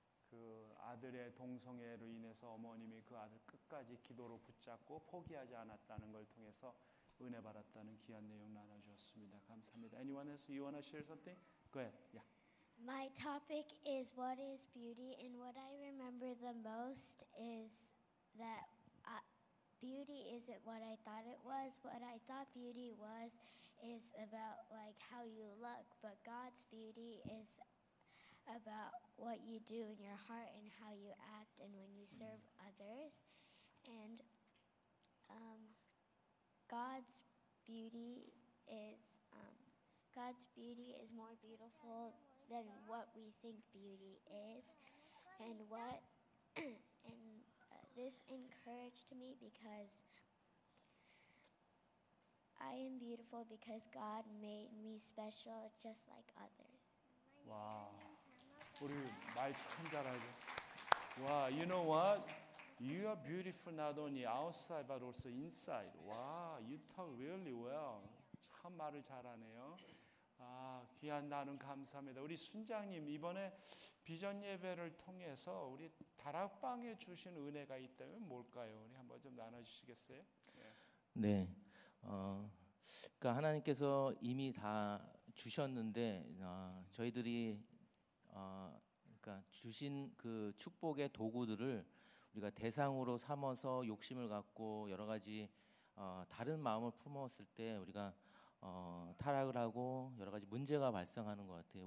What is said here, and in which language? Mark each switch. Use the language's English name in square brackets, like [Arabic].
[Korean] 그 아들의 동성애로 인해서 어머님이 그 아들 끝까지 기도로 붙잡고 포기하지 않았다는 걸 통해서 은혜 받았다는 귀한 내용 나눠주었습니다. 감사합니다. [English] Anyone else? You wanna share something? Go ahead. Yeah. My topic is what is beauty, and what I remember the most is that beauty isn't what I thought it was. What I thought beauty was is about like how you look, but God's beauty is about what you do in your heart and how you act and when you serve others. And God's beauty is more beautiful than what we think beauty is. And what this encouraged me, because I am beautiful because God made me special just like others. Wow. [Korean] 우리 말 참 잘하죠. [English] Wow, you know what? You are beautiful not only outside but also inside. Wow, you talk really well. [Korean] 참 말을 잘하네요. 아, 귀한 나눔 감사합니다. 우리 순장님, 이번에 비전 예배를 통해서 우리 다락방에 주신 은혜가 있다면 뭘까요? 우리 한번 좀 나눠주시겠어요? 네. 그러니까 하나님께서 이미 다 주셨는데 저희들이 그러니까 주신 그 축복의 도구들을 우리가 대상으로 삼아서 욕심을 갖고 여러 가지 다른 마음을 품었을 때 우리가 타락을 하고 여러 가지 문제가 발생하는 것 같아요.